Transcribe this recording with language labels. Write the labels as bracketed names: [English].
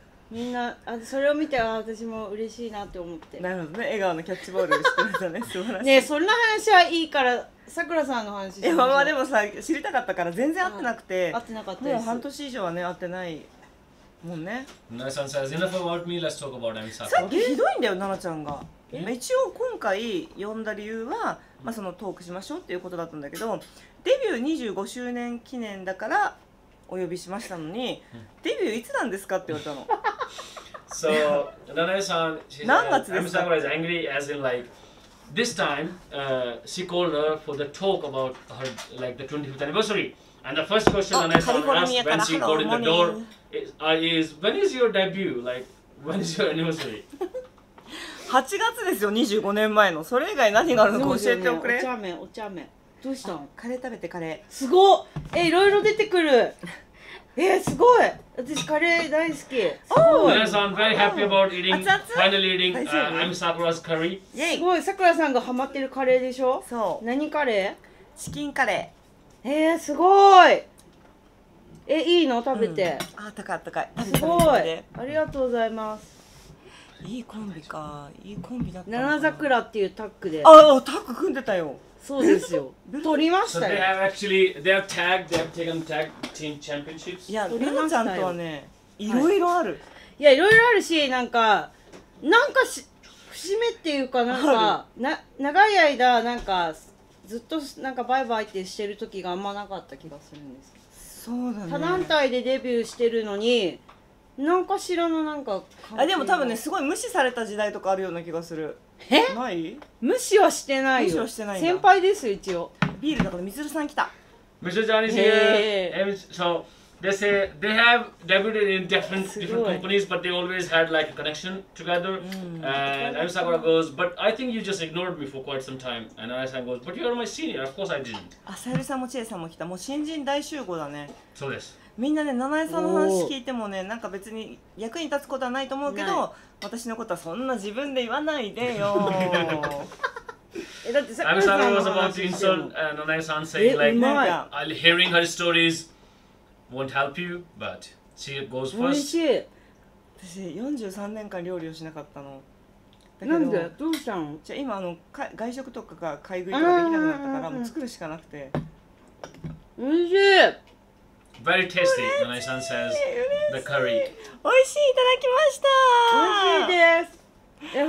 [Japanese] みんな、あ、それを見て、私も嬉しいなって思って。なるほどね。笑顔のキャッチボールしてるんだね。素晴らしい。ね、そんな話はいいから、さくらさんの話しましょう。いや、まあ、でもさ、知りたかったから全然会ってなくて。会ってなかったです。もう半年以上はね、会ってないもんね。 [English] ナナさん says, enough about me, let's talk about Ami [Japanese] Sakura. さっきひどいんだよ、ナナちゃんが。一応今回呼んだ理由は、まあ、そのトークしましょうっていうことだったんだけど、デビュー25周年記念だからお呼びしましたのに、デビューいつなんですかって言われたの。 [English] So, Nanae-san, she said, Ami Sakura is angry as in like, this time, she called her for the talk about her, like, the 25th anniversary. And the first question Nanae-san asked when she got in the door is, when is your debut? Like, when is your anniversary? [Japanese] 8月ですよ、25年前の。それ以外何があるのか教えておくれ。お茶目、お茶目。どうしたん？カレー食べて、カレー。すごっ！え、いろいろ出てくる。すごい！私カレー大好き。おお。 [English] 皆さん、very happy about eating, finally eating, I'm Sakura's curry. [Japanese] イェイ！すごい、さくらさんがハマってるカレーでしょ？そう。何カレー？チキンカレー。すごい！いいの？食べて。うん、あ、高い、高い。すごい！ありがとうございます。いいコンビか、いいコンビだったのかな。七桜っていうタッグで。ああ、タッグ組んでたよ。そうですよ。取りましたよ。 [English] So they have actually, they have tagged, they have taken tag team championships. [Japanese] いや、ルナちゃんとはね、いろいろある。いや、いろいろあるし、なんか、なんかし、節目っていうかなんか、長い間、なんか、ずっとなんかバイバイってしてる時があんまなかった気がするんですけど。そうだね。他団体でデビューしてるのに、なんかしらのなんか、あ、でも多分ね、すごい無視された時代とかあるような気がする。え、ない、無視はしてないよ。無視はしてないんだ。先輩ですよ、一応。ビールだから、みずるさん来た。みずるちゃんは [English] here. So, they say they have debuted in different companies, but they always had like a connection together. And Ami Sakura goes, but I think you just ignored me for quite some time. And Nanae-san goes, but you are my senior, of course I didn't. [Japanese] あ、さゆりさんもちえさんも来た。もう新人大集合だね。そうです。みんなね、七重さんの話聞いてもね、なんか別に役に立つことはないと思うけど、私のことはそんな自分で言わないでよ。え、だってさ、 [English] Ami Sakura was about to insult Nanae-san saying like, hearing her stories won't help you, but she goes first. [Japanese] おいしい。私、43年間料理をしなかったの。なんで？どうしたの？じゃあ今、あの、外食とかが買い食いとかできなくなったから、もう作るしかなくて。おいしい。 [English] Very tasty, Nanae-san says. The curry. [Japanese] 美味しい、いただきました。美味しいです。